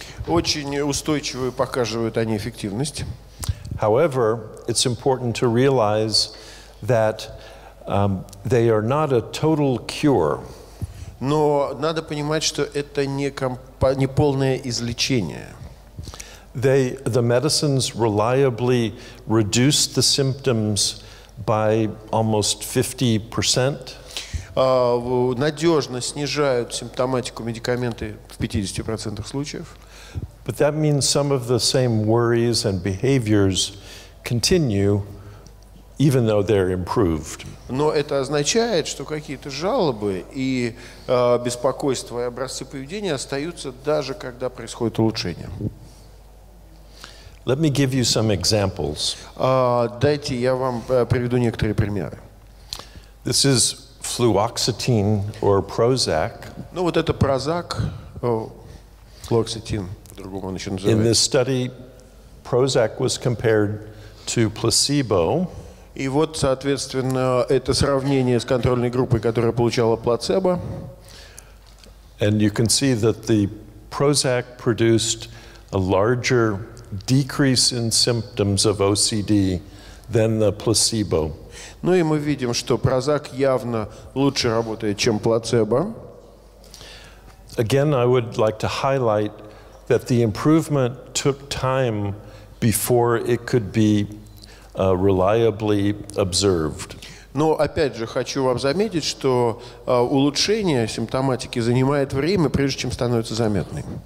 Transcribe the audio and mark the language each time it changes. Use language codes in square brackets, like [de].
[ru] Очень устойчиво показывают они эффективность. [en] However, it's important to realize that they are not a total cure. [ru] Но надо понимать, что это не полное излечение. [en] The medicines reliably reduce the symptoms by almost 50%. [ru] Надежно снижают симптоматику медикаменты в 50% случаев. [en] But that means some of the same worries and behaviors continue, even though they're improved. [ru] Но это означает, что какие-то жалобы и беспокойства и образцы поведения остаются даже когда происходит улучшение. [en] Let me give you some examples. [ru] Дайте я вам приведу некоторые примеры. [en] This is fluoxetine or Prozac. [ru] Ну вот это Прозак, флуоксетин, другому он еще называется. [en] In this study, Prozac was compared to placebo. [ru] И вот, соответственно, это сравнение с контрольной группой, которая получала плацебо. [en] And you can see that the Prozac produced a larger decrease in symptoms of OCD than the placebo. [ru] Ну и мы видим, что Прозак явно лучше работает, чем плацебо. [en] Again, I would like to highlight that the improvement took time before it could be reliably observed. [ru] Но опять же хочу вам заметить, что улучшение симптоматики занимает время, прежде чем становится заметным.